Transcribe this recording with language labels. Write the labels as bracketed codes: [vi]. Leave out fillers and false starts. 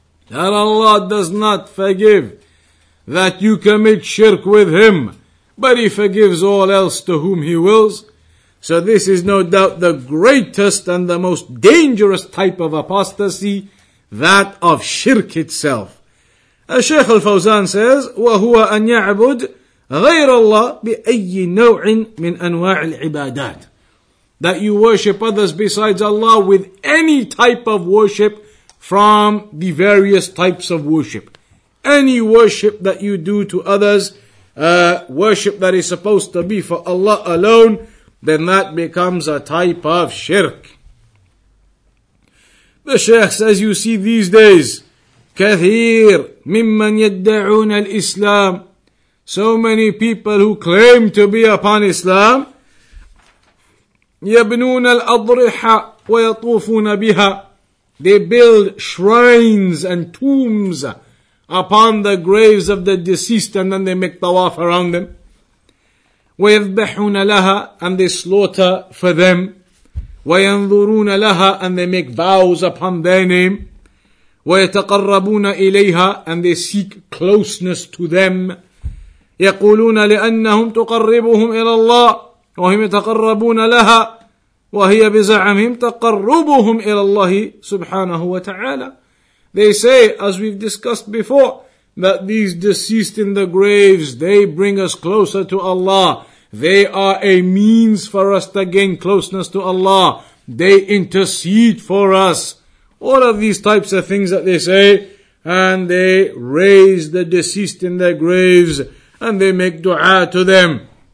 [en] That Allah does not forgive that you commit shirk with Him, but He forgives all else to whom He wills. So this is no doubt the greatest and the most dangerous type of apostasy, that of shirk itself. As Shaykh al-Fawzan says, [ar] وَهُوَ أَن يَعْبُدْ غير الله بأي نوع من أنواع العبادات. [en] That you worship others besides Allah with any type of worship from the various types of worship. any worship that you do to others, worship that is supposed to be for Allah alone, then that becomes a type of shirk. The Shaykh says, you see these days, [ar] كثير ممن يدعون الإسلام. [en] So many people who claim to be upon Islam, [ar] يبنون الأضرحة ويطوفون بها. [en] They build shrines and tombs upon the graves of the deceased and then they make tawaf around them. [ar] ويذبحون لها, [en] and they slaughter for them. [ar] وينظرون لها, [en] and they make vows upon their name. [ar] ويتقربون إليها, [en] and they seek closeness to them. [ar] يقولون لأنهم تقربهم إلى الله وهم يتقربون لها وهي بزعمهم تقربهم إلى الله سبحانه وتعالى. [en] They say, as we've discussed before, that these deceased in the graves, they bring us closer to Allah. They are a means for us to gain closeness to Allah. They intercede for us. All of these types of things that they say, and they raise the deceased in their graves, and they make dua to them.